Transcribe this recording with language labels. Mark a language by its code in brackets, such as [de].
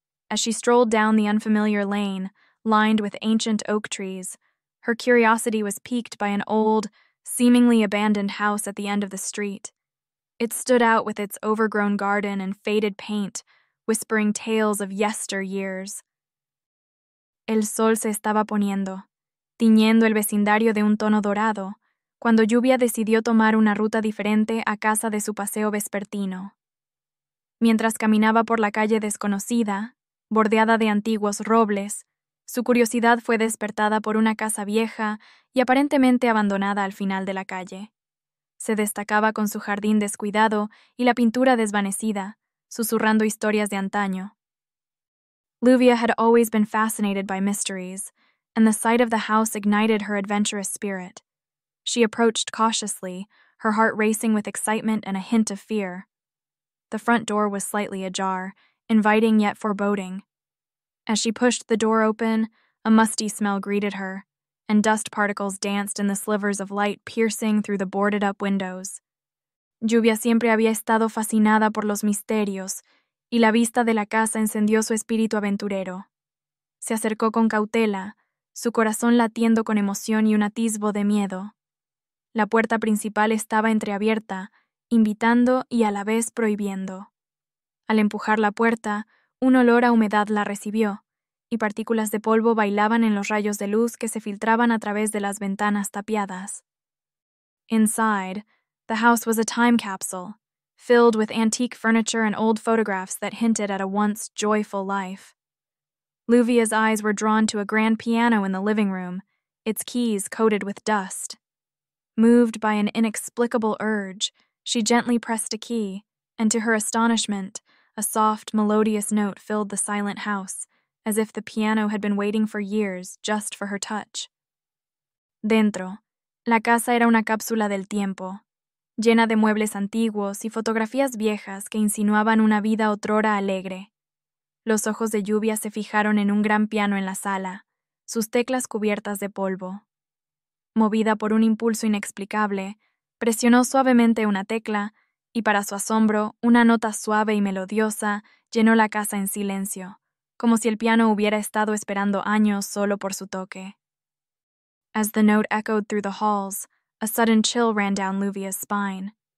[en] As she strolled down the unfamiliar lane, lined with ancient oak trees, her curiosity was piqued by an old, seemingly abandoned house at the end of the street. It stood out with its overgrown garden and faded paint, whispering tales of yesteryears. [es] El sol se estaba poniendo, tiñendo el vecindario de un tono dorado, cuando Lluvia decidió tomar una ruta diferente a casa de su paseo vespertino. Mientras caminaba por la calle desconocida, bordeada de antiguos robles, su curiosidad fue despertada por una casa vieja y aparentemente abandonada al final de la calle. Se destacaba con su jardín descuidado y la pintura desvanecida, susurrando historias de antaño. [en] Lluvia had always been fascinated by mysteries, and the sight of the house ignited her adventurous spirit. She approached cautiously, her heart racing with excitement and a hint of fear. The front door was slightly ajar, inviting yet foreboding. As she pushed the door open, a musty smell greeted her, and dust particles danced in the slivers of light piercing through the boarded-up windows. [es] Lluvia siempre había estado fascinada por los misterios, y la vista de la casa encendió su espíritu aventurero. Se acercó con cautela, su corazón latiendo con emoción y un atisbo de miedo. La puerta principal estaba entreabierta, invitando y a la vez prohibiendo. Al empujar la puerta, un olor a humedad la recibió, y partículas de polvo bailaban en los rayos de luz que se filtraban a través de las ventanas tapiadas. [en] Inside, the house was a time capsule, filled with antique furniture and old photographs that hinted at a once joyful life. Lluvia's eyes were drawn to a grand piano in the living room, its keys coated with dust. Moved by an inexplicable urge, she gently pressed a key, and to her astonishment, a soft, melodious note filled the silent house, as if the piano had been waiting for years just for her touch. [es] Dentro, la casa era una cápsula del tiempo, llena de muebles antiguos y fotografías viejas que insinuaban una vida otrora alegre. Los ojos de Lluvia se fijaron en un gran piano en la sala, sus teclas cubiertas de polvo. Movida por un impulso inexplicable, presionó suavemente una tecla, y para su asombro, una nota suave y melodiosa llenó la casa en silencio, como si el piano hubiera estado esperando años solo por su toque. [en] As the note echoed through the halls, a sudden chill ran down Lluvia's spine.